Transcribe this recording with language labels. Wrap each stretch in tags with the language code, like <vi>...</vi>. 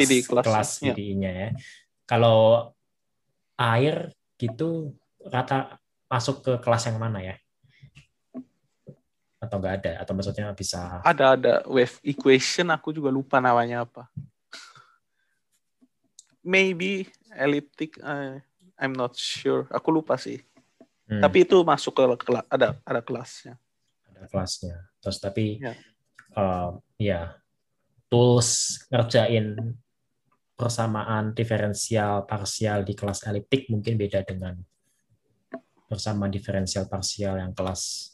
<id>PDI kelas. kelas Ya. PDI-nya ya. Kalau air gitu rata masuk ke kelas yang mana ya? Atau nggak ada? Atau maksudnya bisa Ada wave equation, aku juga lupa namanya apa.</id> <en>Maybe elliptic, I'm not sure.</en> <id>Aku lupa sih. Tapi itu masuk ke kelas, ada kelasnya. Ada kelasnya. Terus tapi Ya. ya tools ngerjain persamaan diferensial parsial di kelas eliptik mungkin beda dengan persamaan diferensial parsial yang kelas</id>